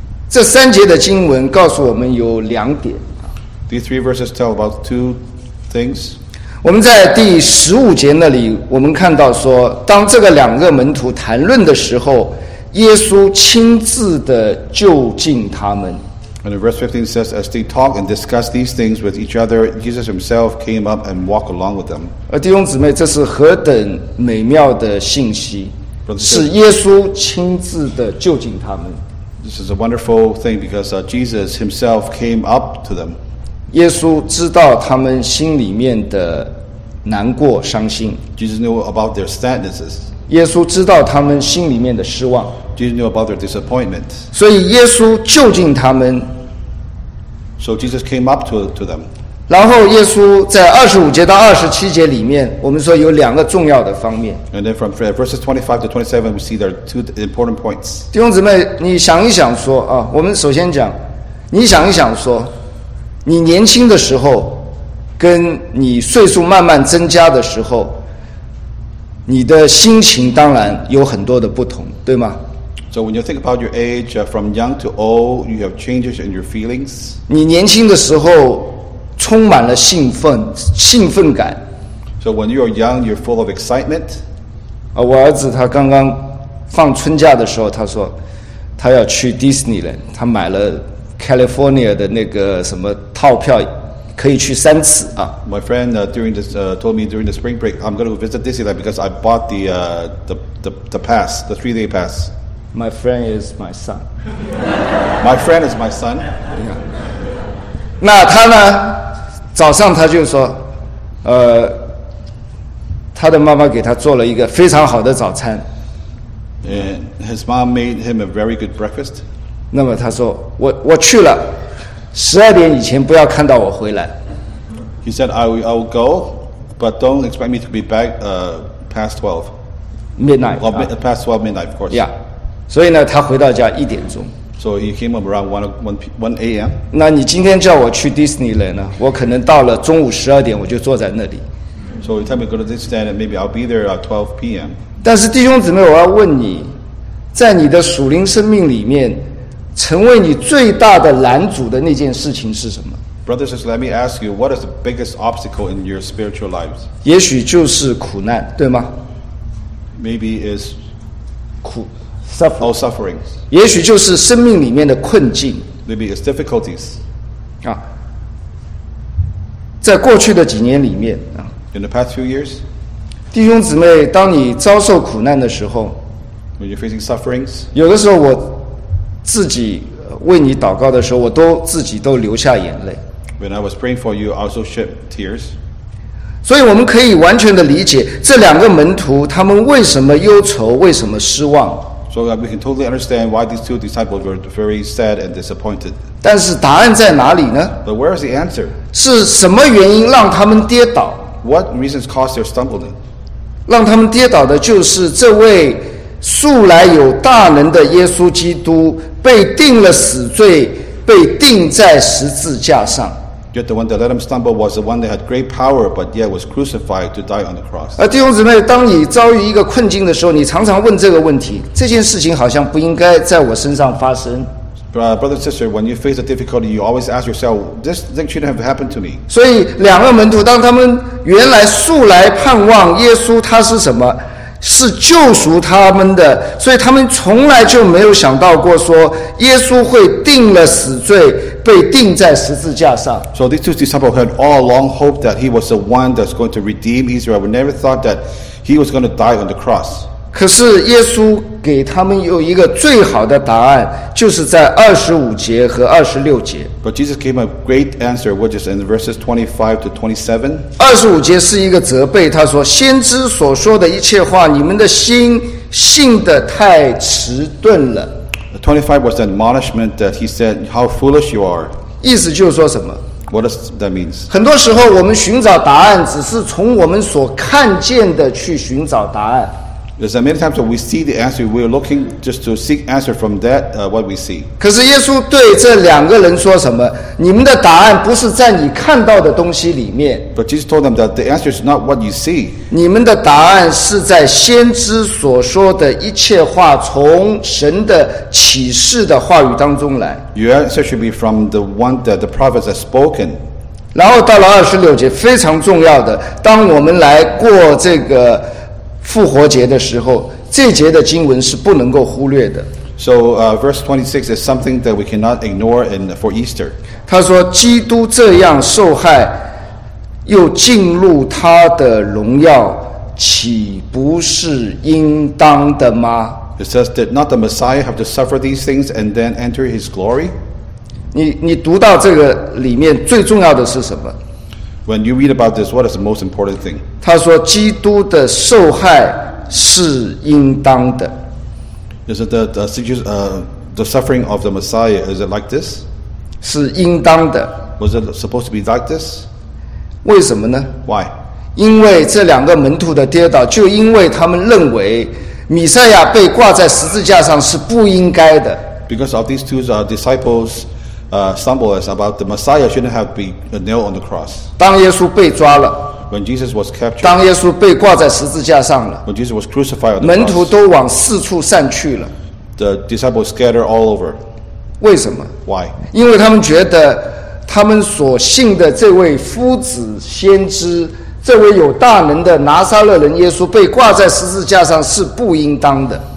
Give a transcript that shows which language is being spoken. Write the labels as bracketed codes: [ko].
[zh] 这三节的经文告诉我们有两点。 [en] These three verses tell about two things. [zh] 我们在第十五节那里，我们看到说，当这个两个门徒谈论的时候，耶稣亲自的就近他们。 [en] And verse 15 says, as they talk and discuss these things with each other, Jesus himself came up and walked along with them. [zh] 弟兄姊妹，这是何等美妙的信息，是耶稣亲自的就近他们。 [en] This is a wonderful thing because Jesus himself came up to them. [zh] 耶稣知道他们心里面的难过伤心。 [en] Jesus knew about their sadnesses. [zh] 耶稣知道他们心里面的失望。 [en] Jesus knew about their disappointment. [zh] 所以耶稣就近他们。 [en] So Jesus came up to them. [zh] 然后耶稣在25节到27节里面，我们说有两个重要的方面。 [en] And then from verses 25 to 27, we see there are two important points. [zh] 弟兄姊妹，你想一想说啊，我们首先讲，你想一想说，你年轻的时候，跟你岁数慢慢增加的时候，你的心情当然有很多的不同，对吗？ [en] So when you think about your age, from young to old, you have changes in your feelings. [zh] 你年轻的时候充满了兴奋，兴奋感。 [en] So when you are young, you're full of excitement. [zh] 我儿子他刚刚放春假的时候，他说他要去 Disneyland， 他买了 California 的那个什么套票，可以去三次啊。 [en] My friend told me during the spring break, I'm going to visit Disneyland because I bought the pass, the 3-day pass. My friend is my son. My friend is my son. Yeah. [zh] 那他呢？早上他就说，他的妈妈给他做了一个非常好的早餐。 [en] And his mom made him a very good breakfast. [zh] 那么他说，我去了，十二点以前不要看到我回来。 [en] He said, I will go, but don't expect me to be back past 12. Midnight. Well, past 12 midnight, of course. Yeah. [zh] 所以呢，他回到家一点钟。 [en] So he came up around one a.m. [zh] 那你今天叫我去 Disneyland 呢？我可能到了中午十二点，我就坐在那里。 [en] So you tell me go to Disneyland, maybe I'll be there at 12 p.m. [zh] 但是弟兄姊妹，我要问你，在你的属灵生命里面，成为你最大的拦阻的那件事情是什么？ [en] Brothers and sisters, let me ask you, what is the biggest obstacle in your spiritual lives? [zh] 也许就是苦难，对吗？ [en] Maybe is suffering. Oh, sufferings. [zh] 也许就是生命里面的困境。 [en] Maybe it's difficulties. [zh] 啊，在过去的几年里面啊。 [en] In the past few years. [zh] 弟兄姊妹，当你遭受苦难的时候。 [en] When you're facing sufferings. [zh] 有的时候我自己为你祷告的时候，我都自己都流下眼泪。 [en] When I was praying for you, I also shed tears. [zh] 所以我们可以完全的理解这两个门徒他们为什么忧愁，为什么失望。 [en] So we can totally understand why these two disciples were very sad and disappointed. [zh] 但是答案在哪里呢？ [en] But where is the answer? [zh] 是什么原因让他们跌倒？ [en] What reasons caused their stumbling? [zh] 让他们跌倒的就是这位素来有大能的耶稣基督被定了死罪，被定在十字架上。 [en] Yet the one that let him stumble was the one that had great power, but yet was crucified to die on the cross. [zh] 弟兄姊妹，当你遭遇一个困境的时候，你常常问这个问题：这件事情好像不应该在我身上发生。 [en] Brother and sister, when you face a difficulty, you always ask yourself, this thing shouldn't have happened to me. [zh] 所以两个门徒，当他们原来素来盼望耶稣，他是什么？是救赎他们的，所以他们从来就没有想到过说耶稣会定了死罪。被钉在十字架上。 [en] So these two disciples had all along hoped that he was the one that's going to redeem Israel. We never thought that he was going to die on the cross. [zh] 可是耶稣给他们有一个最好的答案，就是在二十五节和二十六节。 [en] But Jesus gave a great answer, which is in verses 25 to 27. [zh] 二十五节是一个责备，他说：“先知所说的一切话，你们的心信得太迟钝了。” [en] 25 was an admonishment that he said, "How foolish you are!" [zh] 意思就是说什么 [en] ？What does that mean? [zh] 很多时候，我们寻找答案，只是从我们所看见的去寻找答案。 [en] There's many times when we see the answer, we're looking just to seek answer from that what we see. [zh] 可是耶稣对这两个人说什么？你们的答案不是在你看到的东西里面。 [en] But Jesus told them that the answer is not what you see. [zh] 你们的答案是在先知所说的一切话从神的启示的话语当中来。 [en] Your answer should be from the one that the prophets have spoken. [zh] 然后到了二十六节，非常重要的，当我们来过这个复活节的时候，这节的经文是不能够忽略的。 [en] So, verse 26 is something that we cannot ignore in for Easter. [zh] 他说：“基督这样受害，又进入他的荣耀，岂不是应当的吗 [en] ？”It says, "Did not the Messiah have to suffer these things and then enter his glory?" [zh] 你读到这个里面最重要的是什么？ [en] When you read about this, what is the most important thing? [zh] 他说基督的受害是应当的。 [en] Is it the suffering of the Messiah, is it like this? [zh] 是应当的。 [en] Was it supposed to be like this? [zh] 为什么呢？ [en] Why? [zh] 因为这两个门徒的跌倒，就因为他们认为弥赛亚被挂在十字架上是不应该的。 [en] Because of these two disciples,stumble is about the Messiah shouldn't have been nailed on the cross. [zh] 当耶稣被抓了， [en] when Jesus was captured, [zh] 当耶稣被挂在十字架上了， [en] when Jesus was crucified on the cross, [zh] 门徒都往四处散去了， [en] the disciples scattered all over. [zh] 为什么？ [en] Why? [zh] 因为他们觉得他们所信的这位夫子先知，这位有大能的拿撒勒人耶稣被挂在十字架上是不应当的。